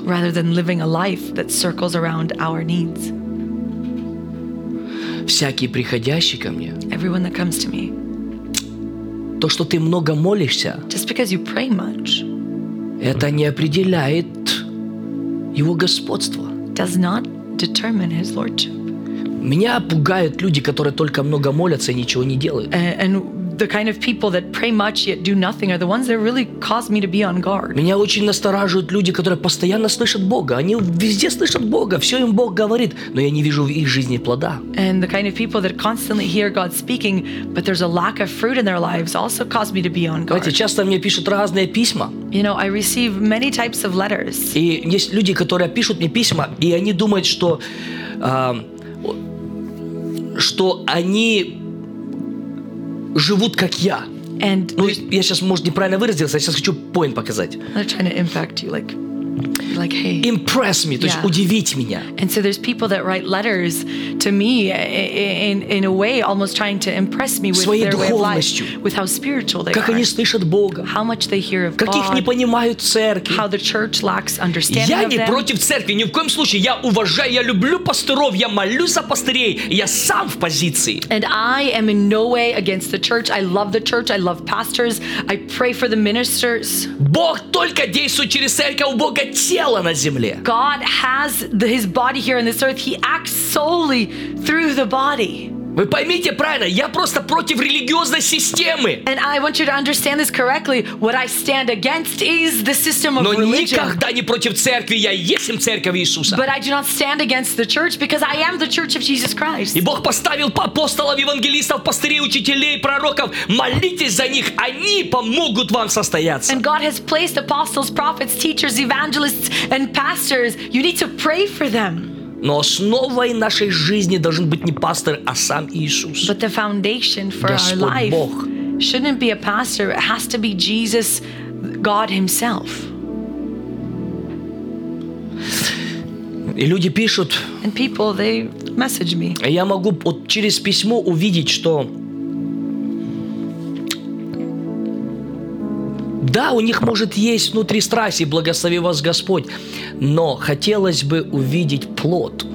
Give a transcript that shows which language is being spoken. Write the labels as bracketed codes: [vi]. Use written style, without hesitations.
[en] Rather than living a life that circles around our needs. [ru] Всякий приходящий ко мне. [en] Everyone that comes to me. [ru] То, что ты много молишься. [en] Just because you pray much. [ru] Это не определяет Его господство. [en] Does not determine His lordship. [ru] Меня пугают люди, которые только много молятся и ничего не делают. [en] And the kind of people that pray much yet do nothing are the ones that really cause me to be on guard. [ru] Меня очень настораживают люди, которые постоянно слышат Бога. Они везде слышат Бога, все им Бог говорит, но я не вижу в их жизни плода. [en] And the kind of people that constantly hear God speaking, but there's a lack of fruit in their lives also cause me to be on guard. [ru] Знаете, часто мне пишут разные письма. [en] You know, I receive many types of letters. [ru] И есть люди, которые пишут мне письма, и они думают, что что они живут как я. [en] And [ru] ну, я сейчас, может, неправильно выразился, я сейчас хочу поинт показать. [en] They're trying to impact you, like hey. Impress me, [ru] то есть удивить меня. [en] And so there's people that write letters to me in a way almost trying to impress me with [ru] своей [en] their [ru] духовностью. [en] Way of life, with how spiritual they [ru] как [en] are. [ru] Как они слышат Бога. [en] How much they hear of [ru] как [en] God. [ru] Их не понимают церкви. [en] How the church lacks understanding [ru] я [en] of them. [ru] Я не против церкви, ни в коем случае. Я уважаю, я люблю пасторов, я молюсь за пастырей, я сам в позиции. [en] And I am in no way against the church. I love the church, I love pastors, I pray for the ministers. [ru] Бог только действует через церковь, у Бога тело на земле. [en] God has his body here on this earth. He acts solely through the body. [ru] Вы поймите правильно, я просто против религиозной системы. [en] And I want you to understand this correctly. What I stand against is the system of religion. [ru] Но никогда не против церкви, я есть церковь Иисуса. [en] But I do not stand against the church because I am the church of Jesus Christ. [ru] И Бог поставил апостолов, евангелистов, пастырей, учителей, пророков. Молитесь за них, они помогут вам состояться. [en] And God has placed apostles, prophets, teachers, evangelists, and pastors. You need to pray for them. [ru] Но основой нашей жизни должен быть не пастор, а сам Иисус. [en] But the foundation for our life shouldn't be a pastor, it has to be Jesus, God himself. [ru] И люди пишут. [en] And people, they message me. [ru] Я могу вот через письмо увидеть, что да, у них может есть внутри страсть, и благослови вас Господь, но хотелось бы увидеть плод.